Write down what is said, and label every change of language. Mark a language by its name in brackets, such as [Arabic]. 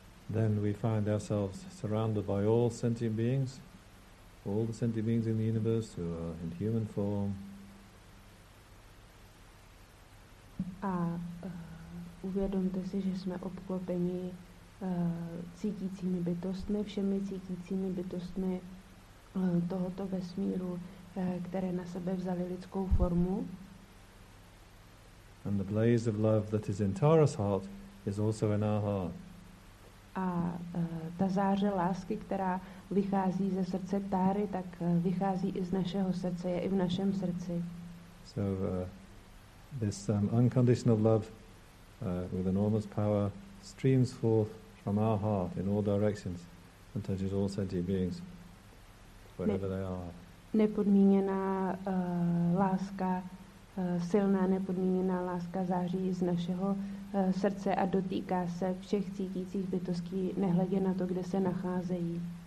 [English] Then we find ourselves surrounded by all sentient beings, all the sentient beings in the universe who are in human form. [Czech] A uvědomte si, že jsme obklopeni cítícími bytostmi, všemi cítícími bytostmi tohoto vesmíru, které na sebe vzali lidskou formu. [English] And the blaze of love that is in Tara's heart is also in our heart. [Czech] A ta záře lásky, která vychází ze srdce Táry, tak vychází i z našeho srdce, je i v našem srdci. [English] So this unconditional love with enormous power streams forth from our heart in all directions and touches all sentient beings wherever they are. [Czech] Nepodmíněná láska, silná nepodmíněná láska září z našeho srdce a dotýká se všech cítících bytostí, nehledě na to, kde se nacházejí.